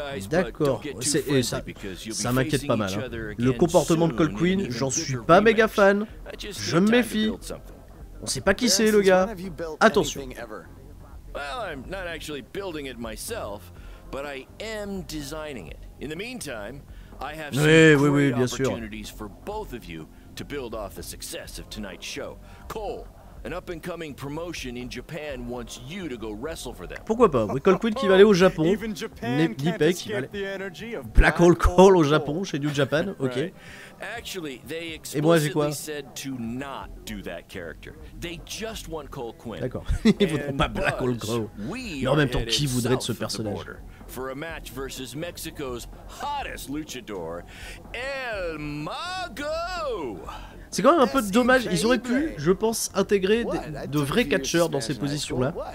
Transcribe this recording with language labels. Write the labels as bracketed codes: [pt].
[fr] D'accord. Ça m'inquiète pas mal. Hein. Le comportement de Cole Quinn, j'en suis pas méga fan. Je me méfie. On sait pas qui c'est, le gars. Attention. [en] Well, I'm not actually building it myself, but I am designing it. In the meantime, I have some opportunities for both of you to build off the success of tonight's show. Cole, an up-and-coming promotion in Japan wants you to go wrestle for them. [fr] Pourquoi pas? Oui, Cole Quinn qui va aller au Japon. Nipek qui va aller. Black Hole Cole au Japon, chez New Japan, ok. Right. [en] Actually, they explicitly said to not do that character. They just want Cole Quinn. [fr] D'accord. Ils voudraient pas Black Hole Cole. Mais en même temps, qui voudrait de ce personnage? [en] For a match versus Mexico's hottest luchador, El Mago. [fr] C'est quand même un peu dommage. Ils auraient pu, je pense, intégrer de vrais catcheurs dans ces positions-là.